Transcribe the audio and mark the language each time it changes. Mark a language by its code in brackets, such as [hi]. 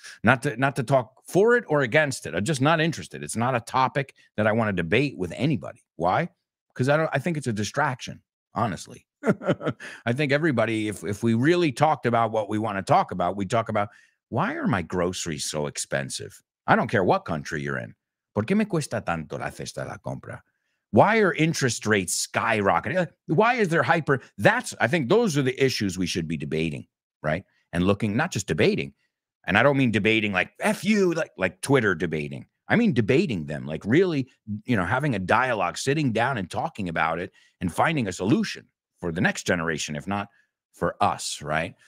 [en] Not to talk for it or against it. I'm just not interested. It's not a topic that I want to debate with anybody. Why? Because I think it's a distraction, honestly. I think everybody, if we really talked about what we want to talk about, we talk about, why are my groceries so expensive? I don't care what country you're in. [es] ¿Por qué me cuesta tanto la cesta de la compra? [en] Why are interest rates skyrocketing? Why is there hyper? I think those are the issues we should be debating, right? And looking, not just debating. And I don't mean debating like F you, like Twitter debating. I mean debating them, like really, you know, having a dialogue, sitting down and talking about it and finding a solution for the next generation, if not for us, right?